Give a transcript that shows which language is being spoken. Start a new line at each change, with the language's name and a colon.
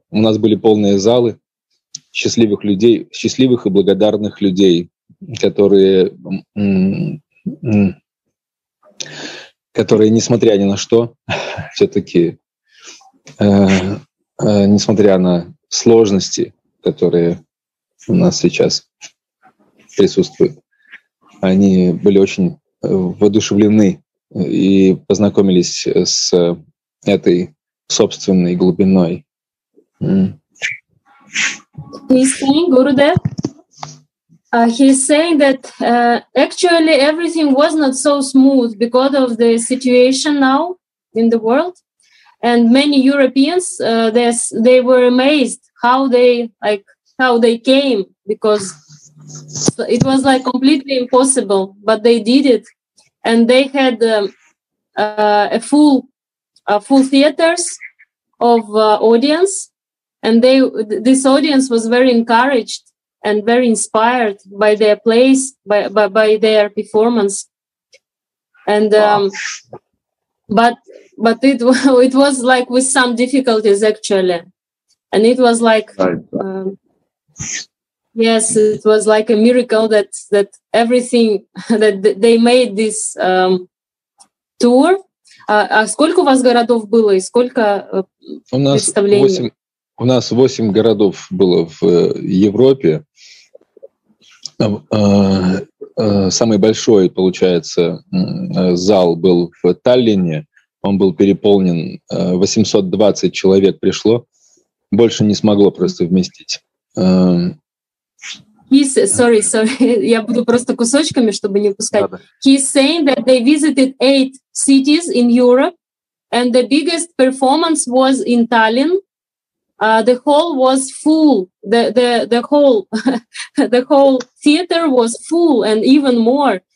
Russian: У нас были полные залы счастливых людей, счастливых и благодарных людей, которые несмотря ни на что, все-таки несмотря на сложности, которые у нас сейчас присутствуют, они были очень воодушевлены и познакомились с этой собственной глубиной. Гурудев,
English: He's saying that actually everything was not so smooth because of the situation now in the world. And many Europeans, they were amazed how they came, because it was like completely impossible, but they did it. And they had a full theaters of audience, and this audience was very encouraged and very inspired by their plays, by their performance. And but it was like with some difficulties actually, and it was like yes, it was like a miracle that everything that they made this tour.
Russian: А сколько у вас городов было и сколько представлений? У нас 8 городов было в Европе. Самый большой, получается, зал был в Таллине. Он был переполнен. 820 человек пришло. Больше не смогло просто вместить.
English: Sorry.
Russian: Я буду просто кусочками, чтобы не упускать.
English: He's saying that they visited 8 cities in Europe, and the biggest performance was in Tallinn. The hall was full. The whole theater was full, and even more.